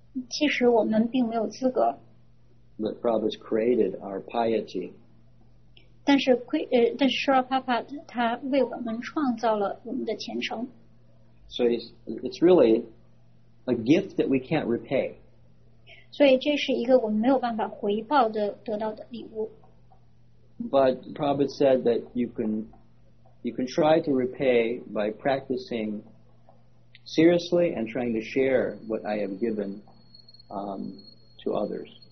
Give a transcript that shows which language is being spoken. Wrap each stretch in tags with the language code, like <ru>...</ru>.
<zh>其实我们并没有资格。</zh> <en>But Prabhupada's created our piety.</en> <zh>但是 Srila Prabhupada 他为我们创造了我们的虔诚。</zh> <en>So it's really a gift that we can't repay.</en> <zh>所以这是一个我们没有办法回报的得到的礼物。</zh> <en>But Prabhupada said that you can try to repay by practicing seriously and trying to share what I have given to others.</en>